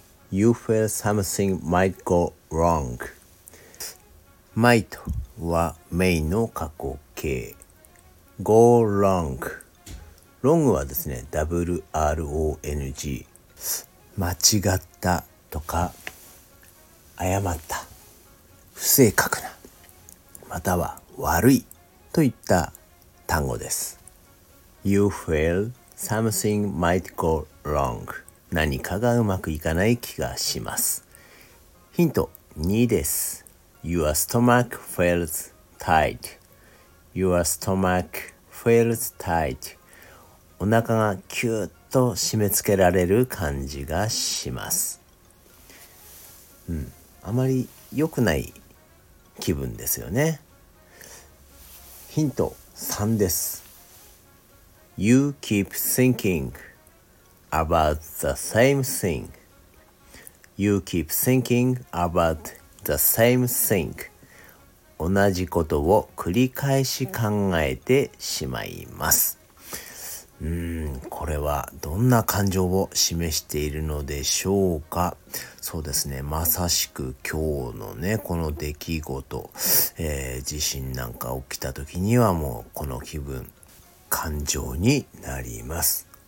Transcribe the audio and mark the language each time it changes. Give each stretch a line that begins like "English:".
English: You feel something might go wrong. Might は may の過去形。Go wrong.
Japanese: Wrong はですね、WRONG。間違ったとか、誤った、不正確な、または悪いといった単語です。
English: You feel something might go wrong.
Japanese: 何かがうまくいかない気がします。ヒント2です。
English: Your stomach feels tight. Your stomach feels tight.
Japanese: お腹がキュッと締め付けられる感じがします。あまり良くない気分ですよね。ヒント3です。
English: You keep thinking about the same thing. You keep thinking about the same thing.
Japanese: 同じことを繰り返し考えてしまいます。これはどんな感情を示しているのでしょうか。そうですね、まさしく今日のね、この出来事、地震なんか起きた時にはもうこの気分、感情になります。